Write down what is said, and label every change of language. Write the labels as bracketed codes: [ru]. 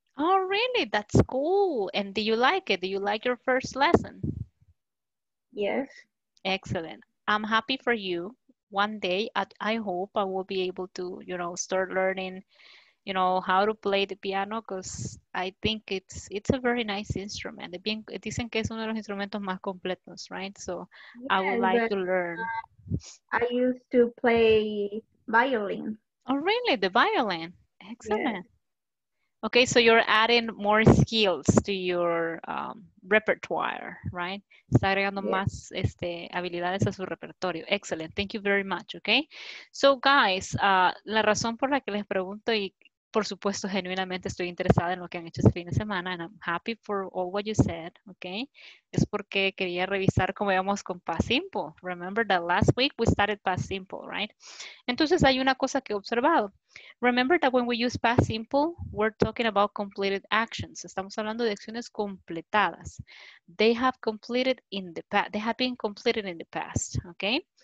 [en] Oh, really? That's cool. And do you like it? Do you like your first lesson? Yes. Excellent. I'm happy for you. One day, I hope I will be able to, you know, start learning, you know, how to play the piano, because I think it's a very nice instrument. [es] Dicen que es uno de los instrumentos más completos, right? [en] So yeah, I would like to learn. I used to play violin. Oh, really? The violin? Excellent. Yeah. Okay, so you're adding more skills to your repertoire, right? [es] Está agregando más habilidades a su repertorio. Excellent. [en] Thank you very much, okay? So, guys, [es] la razón por la que les pregunto, y por supuesto, genuinamente estoy interesada en lo que han hecho este fin de semana, [en] and I'm happy for all what you said, okay? [es] Es porque quería revisar cómo íbamos con past simple. [en] Remember that last week we started past simple, right? [es] Entonces, hay una cosa que he observado. [en] Remember that when we use past simple, we're talking about completed actions. [es] Estamos hablando de acciones completadas. [en] They have completed in the past. They have been completed in the past, okay?